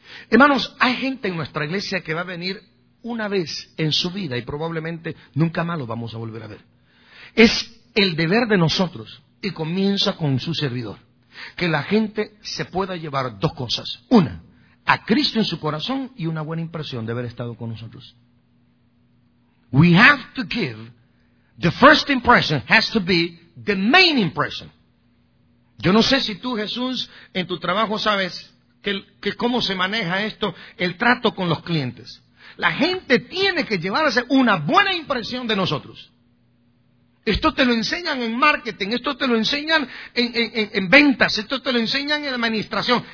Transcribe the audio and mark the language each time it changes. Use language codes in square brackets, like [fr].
[es] Hermanos, hay gente en nuestra iglesia que va a venir una vez en su vida y probablemente nunca más lo vamos a volver a ver. Es el deber de nosotros, y comienza con su servidor, que la gente se pueda llevar dos cosas. Una, a Cristo en su corazón, y una buena impresión de haber estado con nosotros. [en] We have to give, the first impression has to be the main impression. [es] Yo no sé si tú, Jesús, en tu trabajo sabes que cómo se maneja esto, el trato con los clientes. La gente tiene que llevarse una buena impresión de nosotros. Esto te lo enseñan en marketing, esto te lo enseñan en ventas, esto te lo enseñan en administración.